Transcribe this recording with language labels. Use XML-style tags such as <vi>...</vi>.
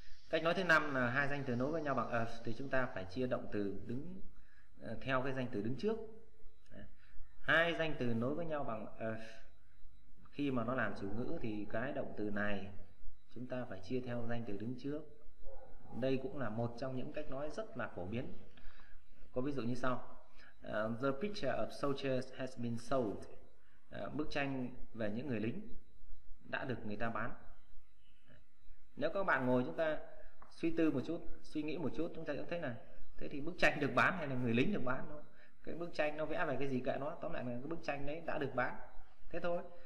<vi>Cách nói thứ năm là hai danh từ nối với nhau bằng of thì chúng ta phải chia động từ đứng theo cái danh từ đứng trước. Hai danh từ nối với nhau bằng of khi mà nó làm chủ ngữ thì cái động từ này chúng ta phải chia theo danh từ đứng trước. Đây cũng là một trong những cách nói rất là phổ biến. Có ví dụ như sau:</vi> <en>The picture of soldiers has been sold.</en> <vi>Bức tranh về những người lính đã được người ta bán. Nếu các bạn ngồi chúng ta suy tư một chút, suy nghĩ một chút, chúng ta cũng thấy là thế thì bức tranh được bán hay là người lính được bán? cái bức tranh nó vẽ về cái gì kệ nó, tóm lại là cái bức tranh đấy đã được bán, thế thôi.</vi>